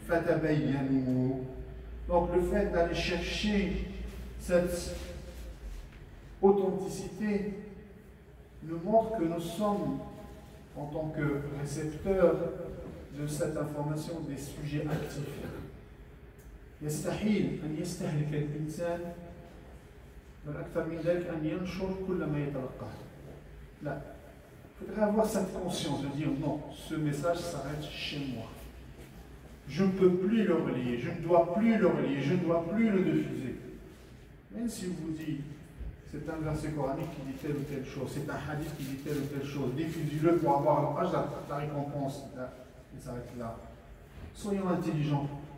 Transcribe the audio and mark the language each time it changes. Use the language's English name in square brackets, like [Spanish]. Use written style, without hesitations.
[French] Fatabayyanou. Donc le fait d'aller chercher cette authenticité nous montre que nous sommes, en tant que récepteurs, de cette information des sujets actifs. [Arabic] يستحيل أن يستهلك الإنسان بل أكثر من ذلك أن ينشر كل ما يتلقاه. [French] Là, il faudrait avoir cette conscience de dire non, ce message s'arrête chez moi. Je ne peux plus le relier, je ne dois plus le relier, je ne dois plus le diffuser. Même si vous dites c'est un verset coranique qui dit telle ou telle chose, c'est un hadith qui dit telle ou telle chose, diffusez-le pour avoir la récompense. Là. Il s'arrête là. Soyons intelligents.